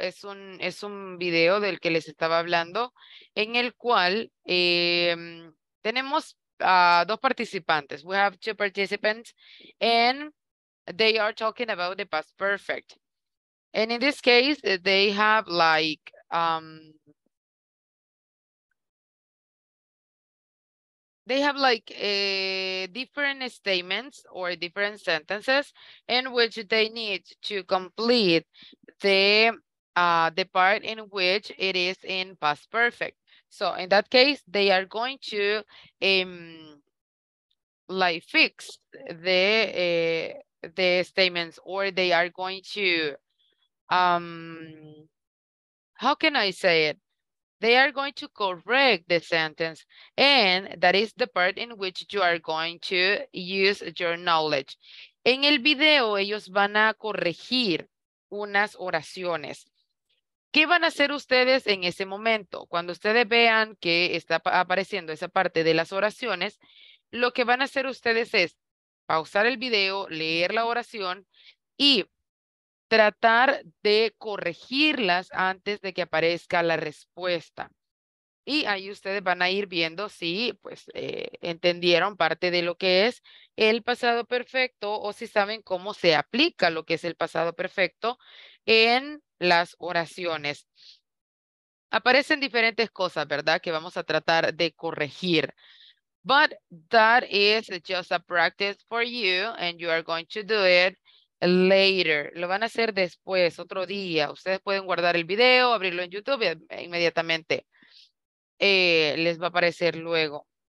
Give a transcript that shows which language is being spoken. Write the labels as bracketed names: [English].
[Spanish] Es un video del que les estaba hablando, en el cual tenemos dos participantes. [English] We have two participants and they are talking about the past perfect. And in this case, they have like different statements or different sentences in which they need to complete the part in which it is in past perfect. So in that case, they are going to fix the statements, or they are going to how can I say it? They are going to correct the sentence, and that is the part in which you are going to use your knowledge. [Spanish] En el video, ellos van a corregir unas oraciones. ¿Qué van a hacer ustedes en ese momento? Cuando ustedes vean que está apareciendo esa parte de las oraciones, lo que van a hacer ustedes es pausar el video, leer la oración y tratar de corregirlas antes de que aparezca la respuesta. Y ahí ustedes van a ir viendo si pues entendieron parte de lo que es el pasado perfecto, o si saben cómo se aplica lo que es el pasado perfecto en las oraciones. Aparecen diferentes cosas, ¿verdad?, que vamos a tratar de corregir. [English] But that is just a practice for you, and you are going to do it later. [Spanish] Lo van a hacer después, otro día. Ustedes pueden guardar el video, abrirlo en YouTube, e inmediatamente les va a aparecer luego.